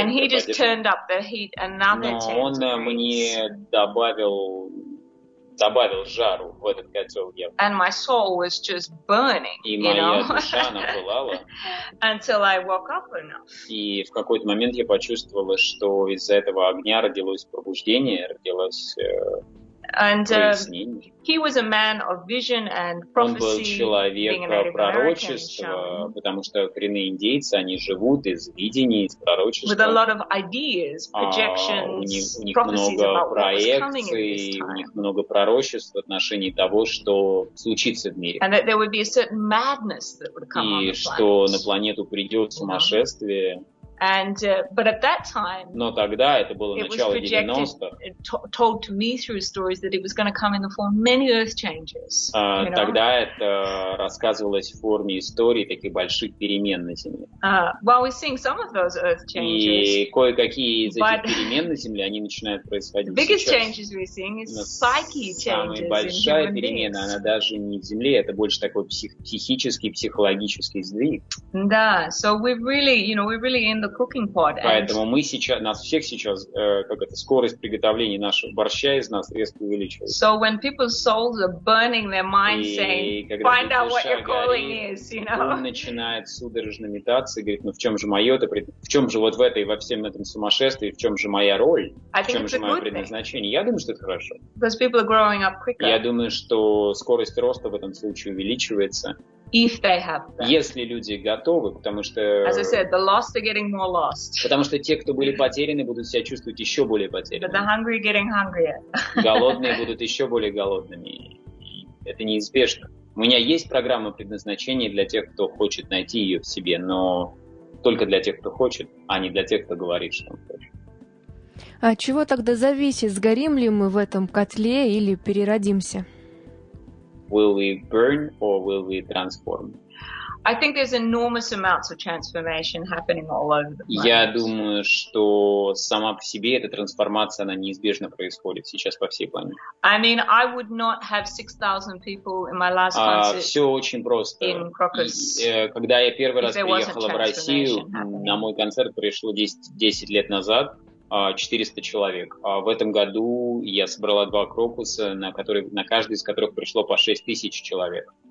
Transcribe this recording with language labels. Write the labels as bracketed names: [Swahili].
[English] And he just turned up the heat another 10 degrees. [Russian] Но он мне добавил жару в этот котел. [English] And my soul was just burning, [Russian] и моя, [English] you know? [Russian] Душа, она пылала. [English] Until I woke up enough. [Russian] И в какой-то момент я почувствовала, что из-за этого огня родилось пробуждение, родилось... [English] And he was a man of vision and prophecy. [Russian] Он был человек пророчества, потому что коренные индейцы, они живут из видений, из пророчества. [English] With a lot of ideas, projections, [Russian] у них много проекций, у них много пророчеств в отношении того, что случится в мире. [English] And that there would be a certain madness that would come on the planet. [Russian] И что на планету придет сумасшествие. [English] And but at that time, [Russian] но тогда это было начало 90-х. [English] It told to me through stories that it was going to come in the form of many earth changes. [Russian] Тогда это рассказывалось в форме истории таких больших перемен на Земле. [English] Well, we're seeing some of those earth changes. [Russian] И кое-какие из этих перемен на Земле они начинают происходить. [English] The biggest changes we're seeing is psyche changes. [Russian] Самая большая перемена, она даже не в Земле, это больше такой психический, психологический сдвиг. [English] Да, so we're really, you know, we're really in the cooking pot. [Russian] Поэтому мы сейчас, нас всех сейчас, как это, скорость приготовления нашего борща из нас резко увеличивается. [English] So when people's souls are burning their minds saying, find out what your calling is, you know. [Russian] Он начинает судорожно метаться и говорит, ну в чем же мое-то, в чем же вот в этой, во всем этом сумасшествии, в чем же моя роль, в чем же мое предназначение. Я думаю, что это хорошо. [English] Because people are growing up quicker. [Russian] Я думаю, что скорость роста в этом случае увеличивается. [English] If they have that. [Russian] Если люди готовы, потому что... [English] As I said, the lost are getting more lost. [Russian] Потому что те, кто были потеряны, будут себя чувствовать еще более потерянными. [English] But the hungry are getting hungrier. [Russian] Голодные будут еще более голодными. Это неизбежно. У меня есть программа предназначения для тех, кто хочет найти ее в себе, но только для тех, кто хочет, а не для тех, кто говорит, что он хочет. А чего тогда зависит, сгорим ли мы в этом котле или переродимся? [English] Will we burn or will we transform? I think there's enormous amounts of transformation happening all over the planet. [Russian] Я думаю, что сама по себе эта трансформация, она неизбежно происходит сейчас по всей планете. [English] I mean, I would not have 6,000 people in my last concert. [Russian] Все очень просто. [English] In Krokus, [Russian] когда я первый раз приехала в Россию, на мой концерт пришло 10 лет назад 400 человек. А в этом году я собрала 2 крокуса, на каждый из которых пришло по 6 тысяч человек.